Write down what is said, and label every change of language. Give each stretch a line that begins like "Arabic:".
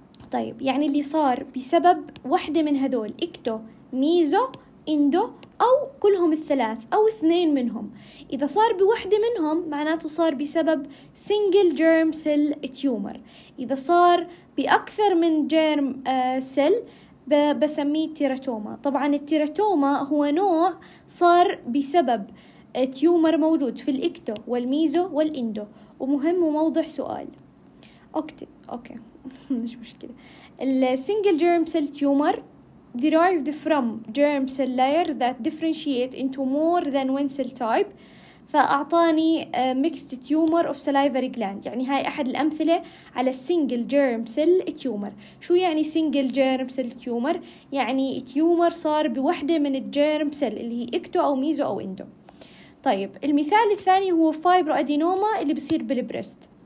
Arabic: طيب يعني اللي صار بسبب واحدة من هذول، إكتو، ميزو، إندو، أو كلهم الثلاث أو اثنين منهم، إذا صار بواحدة منهم معناته صار بسبب single germ cell tumor، إذا صار بأكثر من germ cell بسميه تيراتوما. طبعا التيراتوما هو نوع صار بسبب تيومر موجود في الإكتو والميزو والإندو. ومهم وموضح سؤال، أوكي مش مشكلة.
English: السنجل germ cell tumour derived from germ cell layer that differentiate into more than one cell type،
Arabic: فأعطاني
English: mixed tumor of salivary gland.
Arabic: يعني هاي أحد الأمثلة على single germ cell tumor. شو يعني single germ cell tumor؟ يعني tumor صار بوحدة من الجيرم سيل اللي هي إكتو أو ميزو أو إندو. طيب المثال الثاني هو فايبروأدينوما اللي بصير بالبريست.